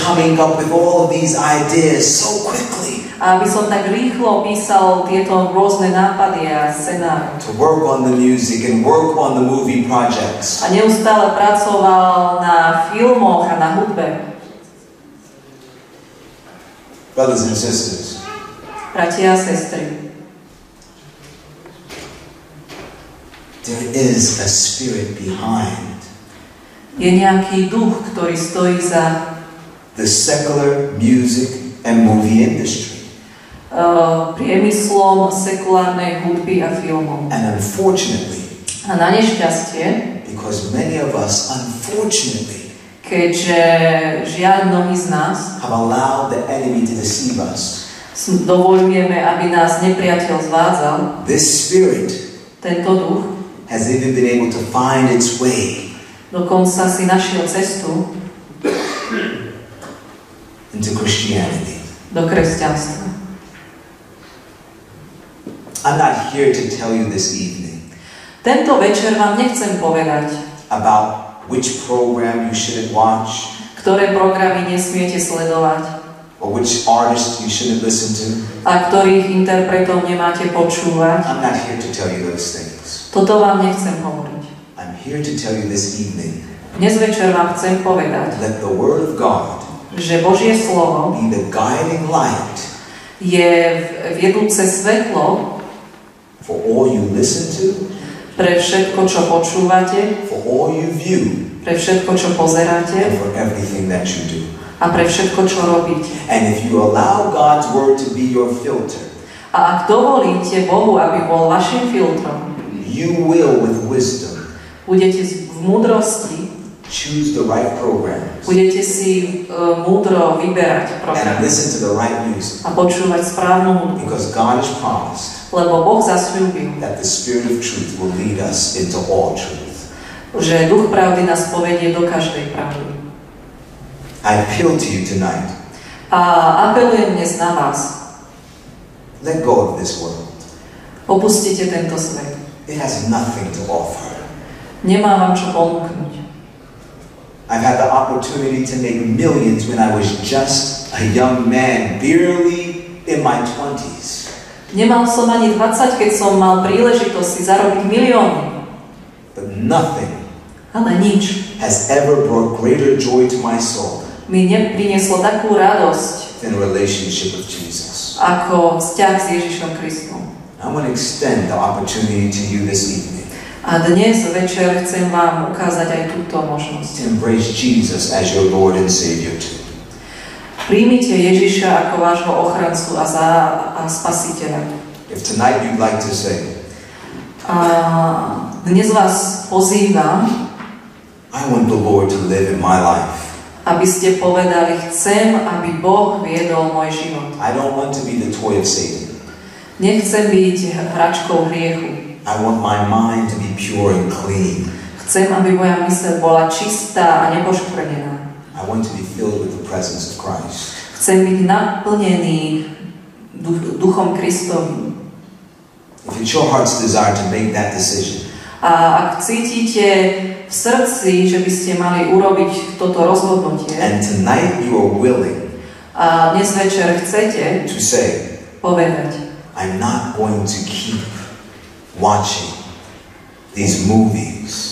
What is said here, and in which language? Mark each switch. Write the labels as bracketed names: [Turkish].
[English] coming up with all of these ideas so quickly, [Slovak] aby som tak rýchlo písal tieto rôzne nápady a scenáry, [English] to work on the music and work on the movie projects, [Slovak] a neustále pracoval na filmoch a na hudbe. [English] Brothers and sisters. [Slovak] Bratia a sestry. [English] There is a spirit behind. [Slovak] Je nejaký duch, ktorý stojí za [English] the secular music and movie industry. [Slovak] Priemyslom sekulárnej hudby a filmu. [English] And unfortunately. [Slovak] A na nešťastie. [English] Because many of us unfortunately. [Slovak] Keďže žiaľ mnohí z nás [English] have allowed the enemy to deceive us. [Slovak] Dovolujeme, aby nás nepriateľ zvádzal. [English] This spirit, [Slovak] tento duch, [English] has even been able to find its way. [Slovak] Dokonca si našiel cestu [English] into Christianity. [Slovak] Do kresťanstva. [English] I'm not here to tell you this evening. [Slovak] Tento večer vám nechcem povedať [English] about which program you shouldn't watch. [Slovak] Ktoré programy nesmiete sledovať? [English] Or which artist you shouldn't listen to? [Slovak] A ktorých interpretov nemáte počúvať? [English] I'm not here to tell you those things. [Slovak] Toto vám nechcem hovoriť. [English] I'm here to tell you this evening. [Slovak] Dnes večer vám chcem povedať, [English] that the word of God, [Slovak] že Božie slovo, [English] be the guiding light, [Slovak] je vedúce svetlo, [English] for all you listen to, [Slovak] pre všetko, čo počúvate, [English] for all you view, [Slovak] pre všetko, čo pozeráte, [English] and for everything that you do, [Slovak] a pre všetko, čo robíte. [English] And if you allow God's word to be your filter, [Slovak] a ak dovolíte Bohu, aby bol vašim filtrom, [English] you will with wisdom, [Slovak] budete v múdrosti, [English] choose the right programs. [Slovak] Budete si múdro vyberať programy. [English] And listen to the right music. [Slovak] A počúvať správnu hudbu. [English] Because God has promised. [Slovak] Lebo Boh zasľúbil. [English] That the Spirit of truth will lead us into all truth. [Slovak] Že Duch pravdy nás povedie do každej pravdy. [English] I appeal to you tonight. [Slovak] A apelujem dnes na vás. [English] Let go of this world. [Slovak] Opustite tento svet. [English] It has nothing to offer. [Slovak] Nemá vám čo ponúknuť. [English] I've had the opportunity to make millions when I was just a young man, barely in my 20s. [Slovak] Nemal som ani 20, keď som mal príležitosť si zarobiť milióny. [English] But nothing, [Slovak] ale nič, [English] has ever brought greater joy to my soul. [Slovak] Mi neprinieslo takú radosť [English] than a relationship with Jesus. [Slovak] Ako vzťah s Ježišom Kristom. [English] I want to extend the opportunity to you this evening. [Slovak] A dnes večer chcem vám ukázať aj túto možnosť. [English] Embrace Jesus as your Lord and Savior too. [Slovak] Prijmite Ježiša ako vášho ochrancu a spasiteľa. [English] If tonight you'd like to say, [Slovak] a dnes vás pozývam, [English] I want the Lord to live in my life. [Slovak] Aby ste povedali, chcem, aby Boh viedol môj život. [English] I don't want to be the toy of Satan. [Slovak] Nechcem byť hračkou hriechu. [English] I want my mind to be pure and clean. [Slovak] Chcem, aby moja myseľ bola čistá a nepoškvrnená. [English] I want to be filled with the presence of Christ. [Slovak] Chcem byť naplnený duchom Kristovým. [English] If it's your heart's desire to make that decision. [Slovak] A ak cítite v srdci, že by ste mali urobiť toto rozhodnutie. [English] And tonight you are willing. [Slovak] A dnes večer chcete. [English] To say. [Slovak] Povedať. [English] I'm not going to keep watching these movies.